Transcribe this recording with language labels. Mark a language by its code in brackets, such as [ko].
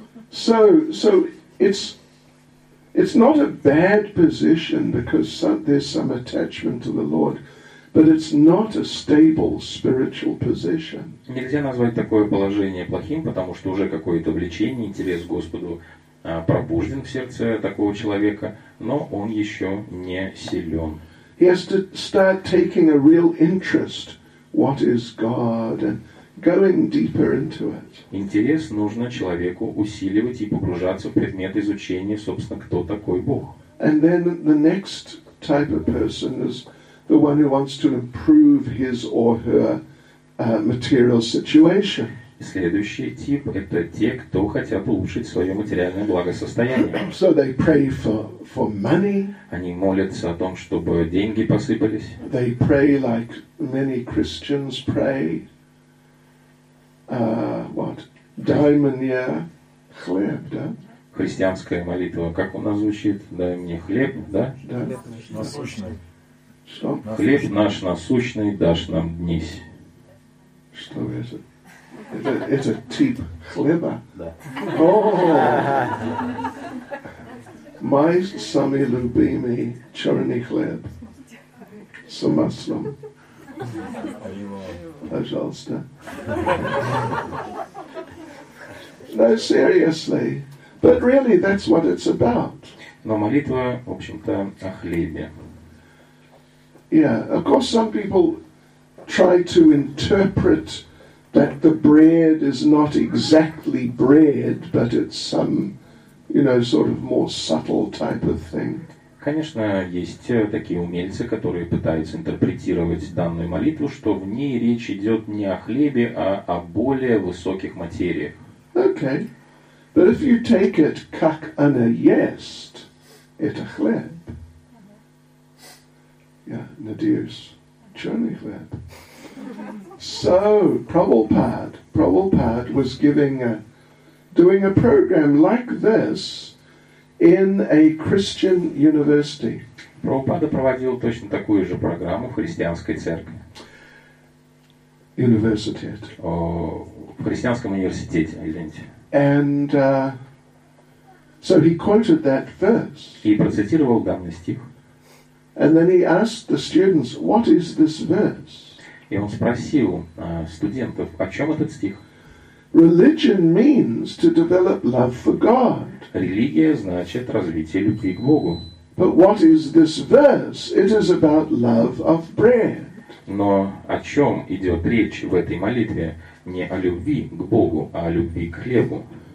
[en] So it's not a bad position because there's some attachment to the Lord, but it's not a stable spiritual position. [ru] Нельзя назвать такое положение плохим, потому что уже какое-то влечение, интерес к Господу пробужден в сердце такого человека, но он еще не силен. [en] He has to start taking a real interest. What is God? And going deeper into it. [ru] Интерес нужно человеку усиливать и погружаться в предмет изучения, собственно, кто такой Бог. [en] And then the next type of person is the one who wants to improve his or her material situation. [ru] Следующий тип – это те, кто хотят улучшить свое материальное благосостояние. [en] So they pray for money. [ru] Они молятся о том, чтобы деньги посыпались. [en] They pray like many Christians pray. What? [ru] Дай мне хлеб, да? Христианская молитва, как у нас звучит? Дай мне хлеб, да? Да. Хлеб наш насущный дашь нам днись. Что это? Это тип хлеба? Да. Мой самый любимый черный хлеб с маслом. Пожалуйста. [en] No, seriously. But really, that's what it's about. [ru] Но молитва, в общем-то, о хлебе. [en] Yeah, of course some people try to interpret that the bread is not exactly bread, but it's some, you know, sort of more subtle type of thing. [ru] Конечно, есть такие умельцы, которые пытаются интерпретировать данную молитву, что в ней речь идет не о хлебе, а о более высоких материях. [en] Okay. But if you take it [ru] как она ест, это хлеб. Я надеюсь, черный хлеб. [en] So, Prabhupada was doing a program like this in a Christian university. [ru] Prabhupada проводил точно такую же программу в христианской церкви. Университет. В христианском университете, извините. [en] And so he quoted that verse. [ru] И процитировал данный стих. [en] And then he asked the students, "What is this verse?" [ru] И он спросил студентов, о чем этот стих? [en] Religion means to develop love for God. [ru] Религия значит развитие любви к Богу. [en] But what is this verse? It is about love of bread. [ru] Но о чем идет речь в этой молитве? Не о любви к Богу, а о любви к хлебу.